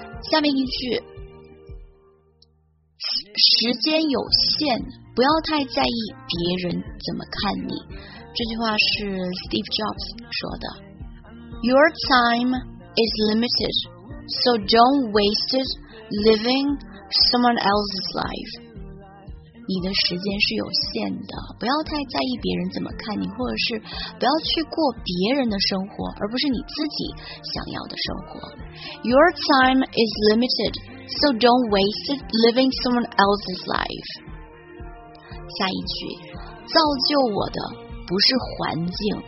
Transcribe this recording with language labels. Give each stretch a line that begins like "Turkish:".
Chinese: 下面一句，时间有限，不要太在意别人怎么看你。这句话是 Steve Jobs 说的。
English: Your time is limited, so don't waste it living someone else's life。
Chinese: 你的时间是有限的，不要太在意别人怎么看你，或者是不要去过别人的生活，而不是你自己想要的生活。
English: Your time is limited, so don't waste it living someone else's life。
Chinese: 下一句，造就我的不是环境，